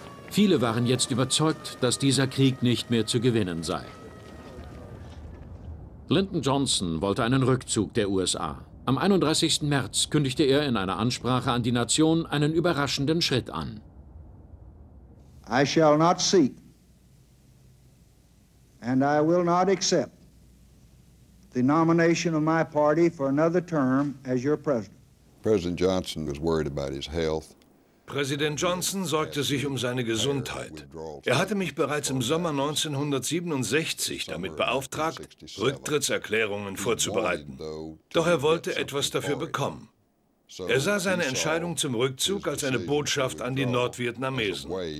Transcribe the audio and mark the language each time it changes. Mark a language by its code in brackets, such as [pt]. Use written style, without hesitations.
[de] Viele waren jetzt überzeugt, dass dieser Krieg nicht mehr zu gewinnen sei. Lyndon Johnson wollte einen Rückzug der USA, Am 31. März kündigte er in einer Ansprache an die Nation einen überraschenden Schritt an. [en] I shall not seek and I will not accept the nomination of my party for another term as your president. President Johnson was worried about his health. [de] Präsident Johnson sorgte sich um seine Gesundheit. Er hatte mich bereits im Sommer 1967 damit beauftragt, Rücktrittserklärungen vorzubereiten. Doch er wollte etwas dafür bekommen. Er sah seine Entscheidung zum Rückzug als eine Botschaft an die Nordvietnamesen.